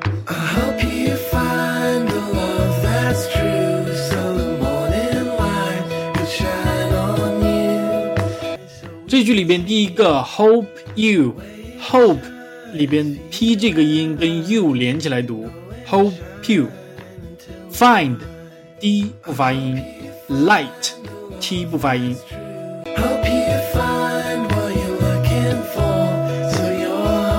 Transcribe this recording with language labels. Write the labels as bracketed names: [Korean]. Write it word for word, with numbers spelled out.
[English] I hope you find the love that's true, so the morning light could shine on you。 [Chinese] 这句里边第一个 hope you， hope 里边 p 这个音跟 you 连起来读 hope you。 find d 不发音， light t 不发音。 [English] hope you find what you're looking for。